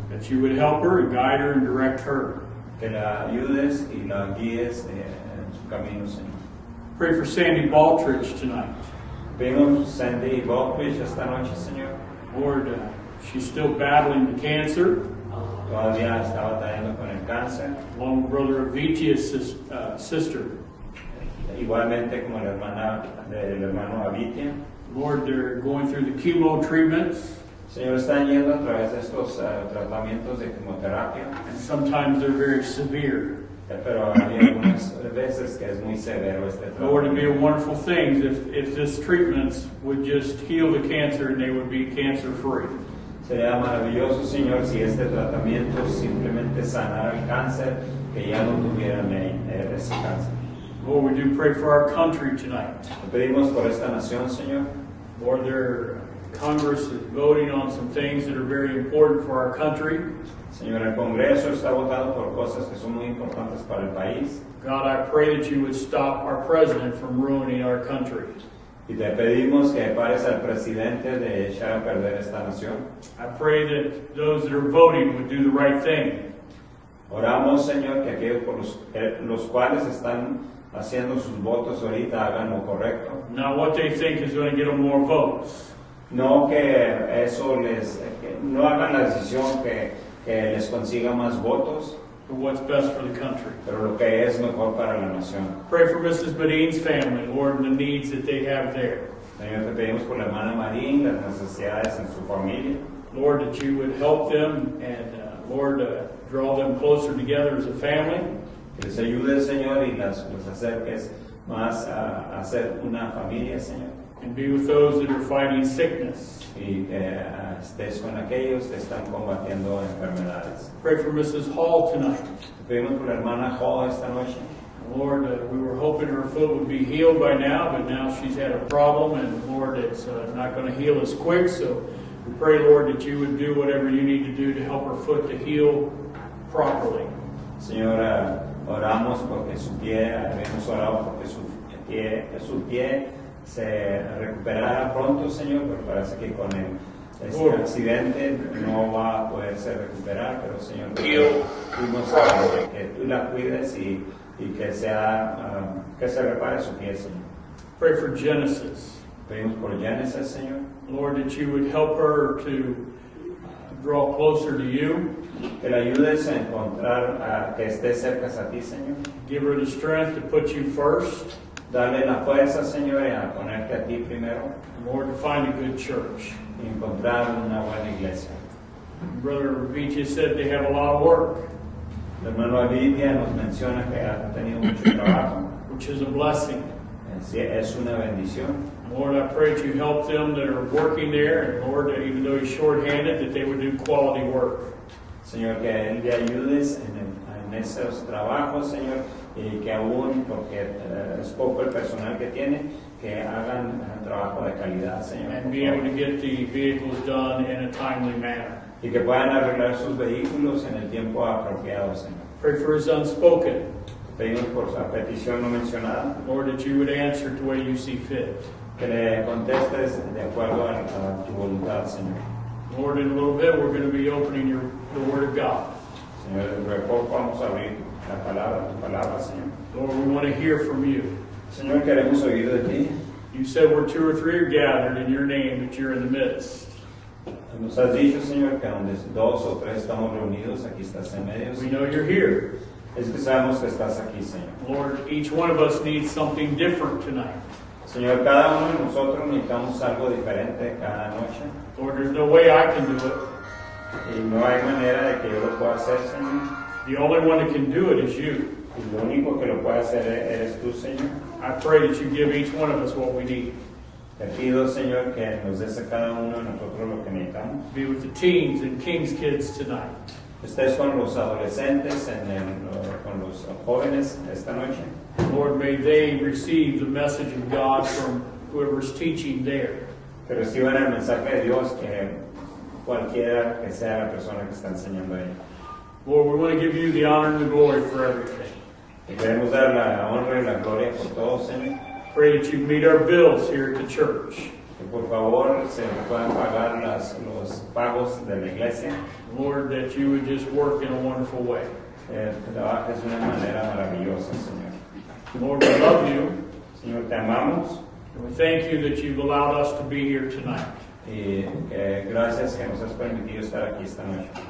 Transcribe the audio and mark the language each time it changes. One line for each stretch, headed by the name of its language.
English: That you would help her and guide her and direct her.
Spanish: Que la ayudes y la guíes en su camino, Señor.
English: Pray for Sandy Baltridge tonight.
Spanish: Pedimos Sandy Baltridge esta noche, Señor.
English: Lord, she's still battling the cancer.
Spanish: Todavía está batallando con el cáncer.
English: Along with Brother Avitia's sister.
Spanish: Igualmente como la hermana del hermano Avitia.
English: Lord, they're going through the chemo treatments.
Spanish: Señor, están yendo a través de estos tratamientos de quimioterapia.
English: And sometimes they're very severe.
Spanish: Pero hay algunas veces que es muy severo este tratamiento.
English: Lord, it would be a wonderful thing if this treatments would just heal the cancer and they would be cancer free.
Spanish: Sería maravilloso, Señor, si este tratamiento simplemente sanara el cáncer, que ya no tuvieran ese cáncer.
English: Lord, we do pray for our country tonight.
Spanish: Pedimos por esta nación, Señor.
English: Lord, their Congress is voting on some things that are very important for our country.
Spanish: Señor, el Congreso está votando por cosas que son muy importantes para el país.
English: God, I pray that you would stop our president from ruining our country.
Spanish: Y te pedimos que pares al presidente de echar a perder esta nación.
English: I pray that those that are voting would do the right thing.
Spanish: Oramos, Señor, que aquellos por los cuales están haciendo sus votos ahorita hagan lo correcto.
English: Now what they think is going to get them more votes.
Spanish: No que eso les, que no hagan la decisión que les consiga más votos.
English: But what's best for the country.
Spanish: Pero lo que es mejor para la nación.
English: Pray for Mrs. Marine's family, Lord, and the needs that they have there.
Spanish: Señor, te pedimos por la hermana Marine, las necesidades en su familia.
English: Lord, that you would help them and Lord, draw them closer together as a family.
Spanish: Que les ayude, Señor, y los acerques más a hacer una familia, Señor.
English: And be with those that are fighting sickness.
Spanish: Y que estés con aquellos que están combatiendo enfermedades.
English: Pray for Mrs. Hall tonight.
Spanish: Pedimos por la hermana Hall esta noche.
English: Lord, we were hoping her foot would be healed by now, but now she's had a problem, and Lord, it's not going to heal as quick, so we pray, Lord, that you would do whatever you need to do to help her foot to heal properly.
Spanish: Señora, oramos porque su pie, hemos orado porque su pie se recuperará pronto, Señor, pero parece que con el accidente no va a poderse recuperar, pero Señor, pedimos que tú la cuides y que sea que se repare su pie, Señor.
English: Pray for Genesis.
Spanish: Pedimos por Genesis, Señor.
English: Lord, that you would help her to draw closer to you.
Spanish: Que la ayudes a encontrar a que esté cerca a ti, Señor.
English: Give her the strength to put you first.
Spanish: Dale la fuerza, Señor, a ponerte a ti primero.
English: Lord, to find a good church.
Spanish: Y encontrar una buena iglesia.
English: Brother Vichy said they have a lot of work.
Spanish: El hermano Avidia nos menciona que ha tenido mucho trabajo.
English: Which is a blessing.
Spanish: Es una bendición.
English: Lord, I pray that you help them that are working there, and Lord, that even though you're short-handed, that they would do quality work.
Spanish: Señor, que él le ayudes en esos trabajos, Señor, y que aún, porque es poco el personal que tiene, que hagan trabajo de calidad, Señor.
English: And be able to get the vehicles done in a timely manner.
Spanish: Y que puedan arreglar sus vehículos en el tiempo apropiado, Señor.
English: Pray for his unspoken.
Spanish: Pedimos por su petición no mencionada.
English: Lord, that you would answer to where you see fit.
Spanish: Que le contestes de acuerdo a tu voluntad, Señor.
English: Lord, in a little bit we're going to be opening the Word of God.
Spanish: Señor, de poco vamos a abrir la palabra, tu palabra, Señor.
English: Lord, we want to hear from you.
Spanish: Señor, queremos oír de ti.
English: You said we're two or three are gathered in your name, but you're in the midst.
Spanish: Nos has dicho, Señor, que donde dos o tres estamos reunidos, aquí estás en medio.
English: We know you're here.
Spanish: Es que sabemos que estás aquí, Señor.
English: Lord, each one of us needs something different tonight.
Spanish: Señor, cada uno de nosotros necesitamos algo diferente cada noche.
English: Lord, there's no way I can do it.
Spanish: Y no hay manera de que yo lo pueda hacer, Señor.
English: The only one that can do it is you.
Spanish: Y lo único que lo puede hacer eres tú, Señor.
English: I pray that you give each one of us what we need.
Spanish: Te pido, Señor, que nos des a cada uno de nosotros lo que necesitamos.
English: Be with the teens and King's kids tonight.
Spanish: Estés con los adolescentes con los jóvenes esta noche.
English: Lord, may they receive the message of God from whoever's teaching there.
Spanish: Que reciban el mensaje de Dios que cualquiera que sea la persona que está enseñando ahí.
English: Lord, we want to give you the honor and the glory for everything.
Spanish: Y queremos dar la honra y la gloria por todos, Señor.
English: Pray that you meet our bills here at the church.
Spanish: Que por favor se puedan pagar los pagos de la iglesia.
English: Lord, that you would just work in a wonderful way.
Spanish: Es una manera maravillosa, Señor.
English: Lord, we love you.
Spanish: Señor, te amamos.
English: And we thank you that you've allowed us to be here tonight.
Spanish: Y que gracias que nos has permitido estar aquí esta noche.